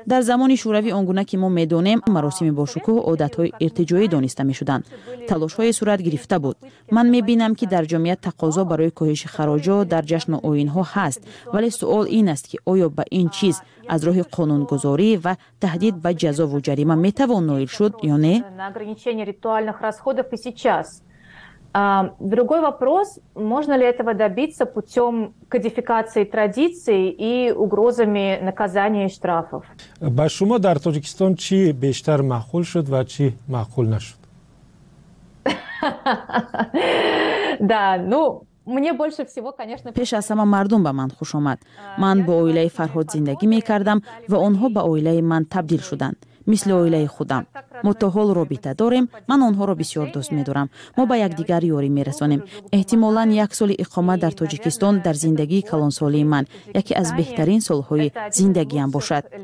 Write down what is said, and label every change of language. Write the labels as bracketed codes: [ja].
[fa] در زمان شوروی آنگونه که ما میدونیم، مراسم باشکوه عادت های ارتجایی دانسته میشدند. تلاش های صورت گرفته بود. من میبینم که در جامعه تقاضا برای کاهش خراج ها در جشن و آیین ها هست، ولی سوال این است که آیا به این چیز از روح قانونگذاری و تهدید به جزا و جریمه میتوان نایل شد یا نه؟ [ru] на ограничение ритуальных расходов и сейчас. Другой вопрос, можно ли этого добиться путем кодификации традиций и угрозами наказания и штрафов? [tg] Ба шумо дар Таҷикистон чи бештар маъқул шуд ва чи маъқул нашуд? [ru] Да, ну мне больше всего, конечно, [tg] пеш аз сама мардум ба ман хуш омад. Ман бо оилаи Фарҳод зиндагӣ мекардам ва онҳо ба оилаи ман табдил шуданд. [fa] مثل اویله خودم. ما تا حال رابطه داریم. من آنها را بسیار دوست می دارم. ما با یک دیگر یاری می رسانیم. احتمالاً یک سال اقامت در تاجیکستان در زندگی کلان سالی من یکی از بهترین سالهای زندگی هم باشد.